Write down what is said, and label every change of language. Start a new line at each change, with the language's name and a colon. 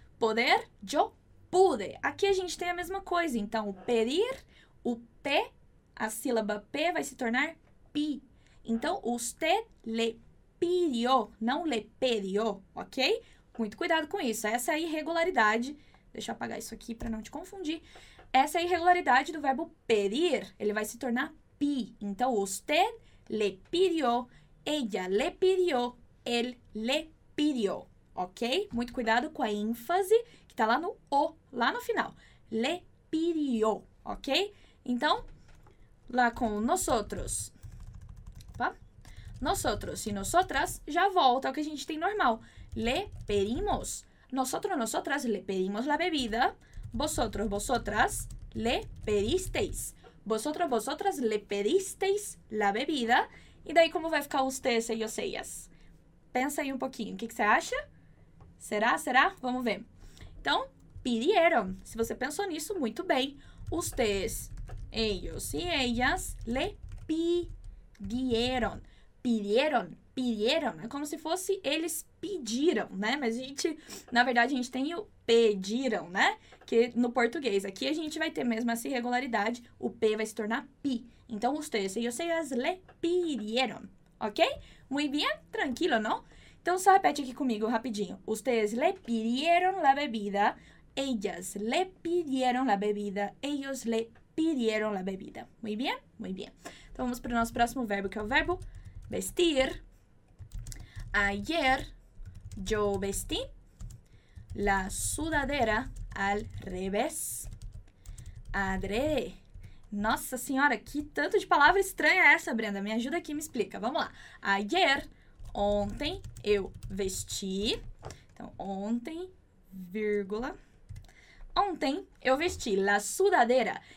Spanish: Poder, yo pude.
Portuguese: Aqui a gente tem a mesma coisa, então, pedir, o p, a sílaba p vai se tornar pi. Então,
Spanish: usted le pidió,
Portuguese: não le pedió, ok? Muito cuidado com isso. Essa é a irregularidade. Deixa eu apagar isso aqui para não te confundir. Essa é a irregularidade do verbo pedir. Ele vai se tornar pi.
Spanish: Então, usted le pidió, ella le pidió, él le pidió, ok?
Portuguese: Muito cuidado com a ênfase que está lá no o, lá no final.
Spanish: Le pidió,
Portuguese: ok? Então, lá com nosotros. Nosotros e nosotras já volta ao que a gente tem normal.
Spanish: Le pedimos. Nosotros, nosotras, le pedimos la bebida. Vosotros, vosotras, le pedisteis. Vosotros, vosotras, le pedisteis la bebida.
Portuguese: E daí como vai ficar ustedes, ellos, ellas? Pensa aí um pouquinho. O que você acha? Será, será? Vamos ver. Então, pidieron. Se você pensou nisso, muito bem.
Spanish: Ustedes, ellos e ellas le pidieron. Pidieron, pidieron,
Portuguese: é como se fosse eles pediram, né? Mas a gente, na verdade, a gente tem o pediram, né? Que no português aqui a gente vai ter mesmo essa irregularidade, o P vai se tornar pi.
Spanish: Então, ustedes, ellos, ellas, le pidieron, ok? Muy bien,
Portuguese: tranquilo, não? Então, só repete aqui comigo rapidinho.
Spanish: Ustedes le pidieron la bebida, ellas le pidieron la bebida, ellos le pidieron la bebida. Muy bien, muy bien.
Portuguese: Então, vamos para o nosso próximo verbo, que é o verbo...
Spanish: Vestir. Ayer yo vestí la sudadera al revés. Adrede.
Portuguese: Nossa senhora, que tanto de palavra estranha é essa, Brenda? Me ajuda aqui, me explica. Vamos lá. Ayer, ontem, eu vesti. Então, ontem, vírgula. Ontem, eu vesti
Spanish: la sudadera.